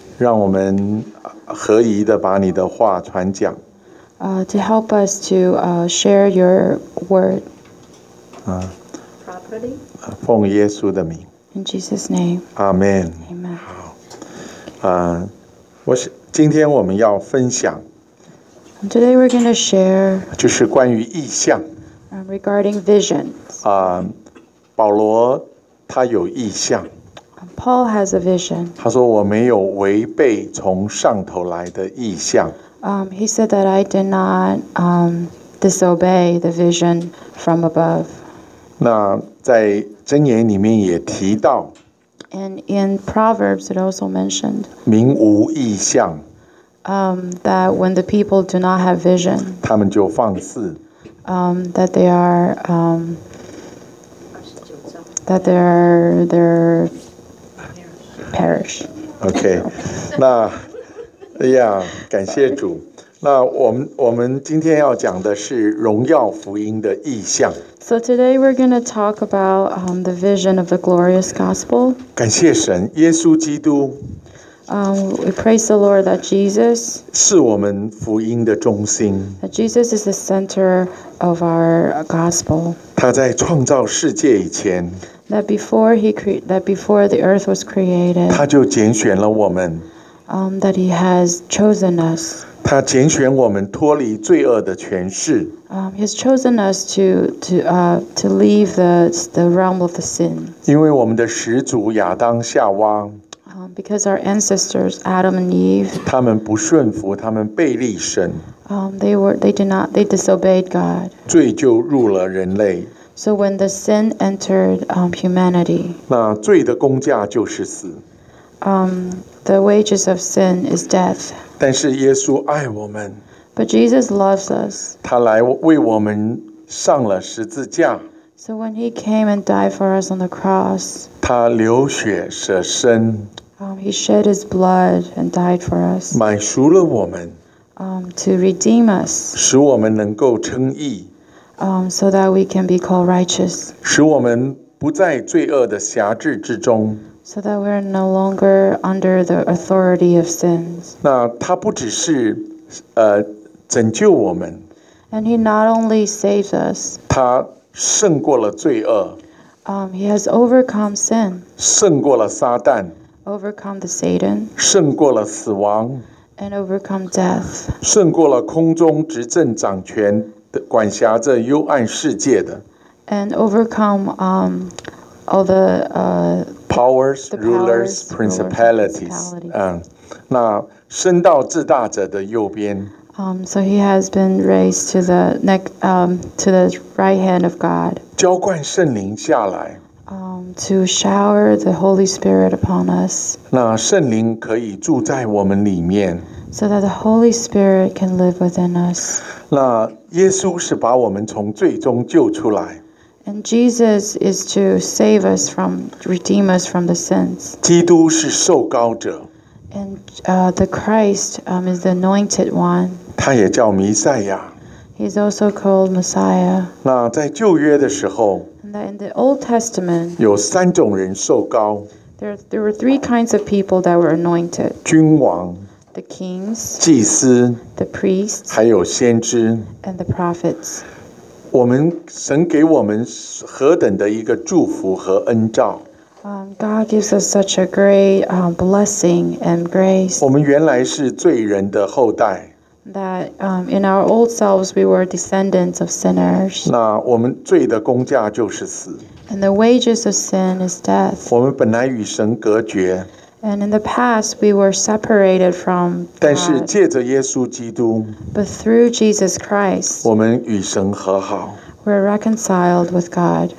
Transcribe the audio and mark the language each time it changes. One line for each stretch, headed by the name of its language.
Chinese: 让我们合宜地把你的话传讲。
English: To help us to share your word. Properly.
Chinese: 奉耶稣的名。
English: In Jesus' name. Amen. Amen.
Chinese: 好。今天我们要分享。
English: Today we're going to share.
Chinese: 就是关于异象。
English: Regarding visions.
Chinese: 保罗他有异象。
English: Paul has a vision.
Chinese: 他说我没有违背从上头来的异象。
English: He said that I did not disobey the vision from above.
Chinese: 那在箴言里面也提到。
English: And in Proverbs it also mentioned.
Chinese: 民无异象。
English: That when the people do not have vision.
Chinese: 他们就放肆。
English: That they are that they're perish.
Chinese: Okay. 那哎呀感谢主。那我们今天要讲的是荣耀福音的异象。
English: So today we're going to talk about the vision of the glorious gospel.
Chinese: 感谢神耶稣基督。
English: We praise the Lord that Jesus
Chinese: 是我们福音的中心。
English: That Jesus is the center of our gospel.
Chinese: 他在创造世界以前。
English: That before the earth was created,
Chinese: 他就拣选了我们。
English: That he has chosen us.
Chinese: 他拣选我们脱离罪恶的权势。
English: He has chosen us to leave the realm of the sin.
Chinese: 因为我们的始祖亚当夏娃。
English: Because our ancestors Adam and Eve.
Chinese: 他们不顺服，他们背离神。
English: They disobeyed God.
Chinese: 罪就入了人类。
English: So when the sin entered humanity,
Chinese: 那罪的工价就是死。
English: The wages of sin is death.
Chinese: 但是耶稣爱我们。
English: But Jesus loves us.
Chinese: 他来为我们上了十字架。
English: So when he came and died for us on the cross,
Chinese: 他流血舍身。
English: He shed his blood and died for us.
Chinese: 买赎了我们。
English: To redeem us.
Chinese: 使我们能够称义。
English: So that we can be called righteous.
Chinese: 使我们不在罪恶的辖制之中。
English: So that we're no longer under the authority of sins.
Chinese: 那他不只是拯救我们。
English: And he not only saves us.
Chinese: 他胜过了罪恶。
English: He has overcome sin.
Chinese: 胜过了撒旦。
English: Overcome the Satan.
Chinese: 胜过了死亡。
English: And overcome death.
Chinese: 胜过了空中执政掌权。管辖着幽暗世界的
English: ，and overcome all the powers, rulers, principalities.
Chinese: 那升到至大者的右边。
English: So he has been raised to the neck, to the right hand of God.
Chinese: 浇灌圣灵下来。
English: To shower the Holy Spirit upon us.
Chinese: 那圣灵可以住在我们里面。
English: So that the Holy Spirit can live within us.
Chinese: 那耶稣是把我们从罪中救出来。
English: And Jesus is to save us from, redeem us from the sins.
Chinese: 基督是受膏者。
English: And the Christ is the anointed one.
Chinese: 他也叫弥赛亚。
English: He's also called Messiah.
Chinese: 那在旧约的时候。
English: And that in the Old Testament.
Chinese: 有三种人受膏。
English: There were three kinds of people that were anointed.
Chinese: 君王。
English: The kings,
Chinese: 祭司,
English: the priests,
Chinese: 还有先知,
English: and the prophets.
Chinese: 我们神给我们何等的一个祝福和恩照。
English: God gives us such a great blessing and grace.
Chinese: 我们原来是罪人的后代。
English: That in our old selves we were descendants of sinners.
Chinese: 那我们罪的工价就是死。
English: And the wages of sin is death.
Chinese: 我们本来与神隔绝。
English: And in the past, we were separated from God.
Chinese: 但是借着耶稣基督,
English: but through Jesus Christ,
Chinese: 我们与神和好,
English: we're reconciled with God.